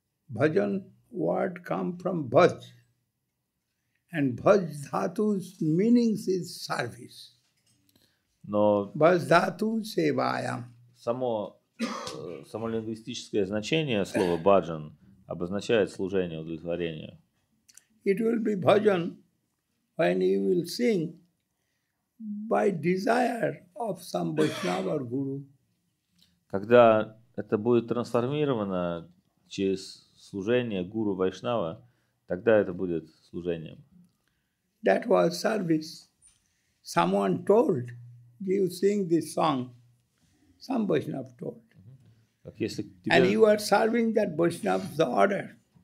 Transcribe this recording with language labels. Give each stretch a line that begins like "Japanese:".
English: Bhajan word come from bhaj. And bhajdhatu's meanings is service.
Russian: Но
Sanskrit: bhajdhatu sevayam.
Russian: Само лингвистическое значение слова bhajan обозначает служение, удовлетворение.
English: It will be bhajan when you will sing by desire of some Vaishnava or guru.
Russian: Когда это будет трансформировано через служение гуру Вайшнава, тогда это будет служением.
English: That was service. Someone told you sing this song. Some Vaishnava told. And you are serving that Vaishnava's order.